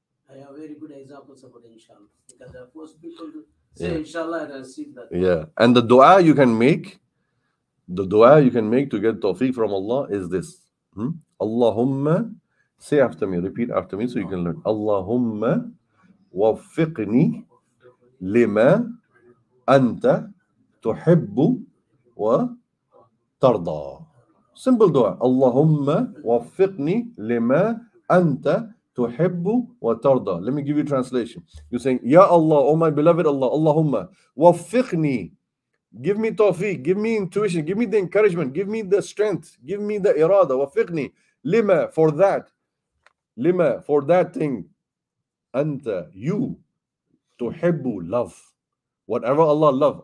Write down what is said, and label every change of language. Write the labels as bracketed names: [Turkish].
[English] I have very good examples about inshallah. Because the first people to say inshallah and receive that. Yeah. And the dua you can make, the dua you can make to get tawfiq from Allah is this. Allahumma, say after me, repeat after me so you can learn. [Arabic] Allahumma وَفِقْنِي لِمَا أَنْتَ تُحِبُّ وَتَرْضَى. [English] Simple dua. [Arabic] Allahumma وَفِقْنِي لِمَا أَنْتَ تُحِبُّ وَتَرْضَى. [English] Let me give you a translation. You're saying, Ya Allah, oh my beloved Allah, [Arabic] Allahumma وَفِقْنِي. [English] Give me tawfiq, give me intuition, give me the encouragement, give me the strength, give me the irada. [Arabic] وَفِقْنِي لِمَا, [English] for that. [Arabic] لِمَا, [English] for that thing. And you, tuhibbu, love. Whatever Allah loves.